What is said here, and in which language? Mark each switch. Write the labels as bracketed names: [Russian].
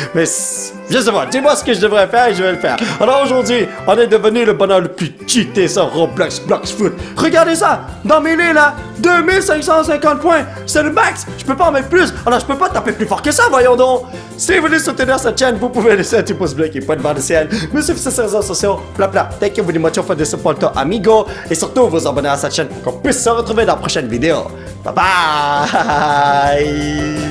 [French] Mais, je sais pas, dis-moi ce que je devrais faire et je vais le faire. Alors aujourd'hui, on est devenu le bonhomme le plus cheaté sur Roblox Blox Food. Regardez ça, dans mes lits là, 2550 points, c'est le max, je peux pas en mettre plus. Alors je peux pas taper plus fort que ça, voyons donc. Si vous voulez soutenir cette chaîne, vous pouvez laisser un petit pouce bleu qui pointe vers le ciel. Me suivre sur ses réseaux sociaux, blabla. [English] Thank you very much for the support, amigo. [French] Et surtout, vous abonner à cette chaîne pour qu'on puisse se retrouver dans la prochaine vidéo. Bye bye.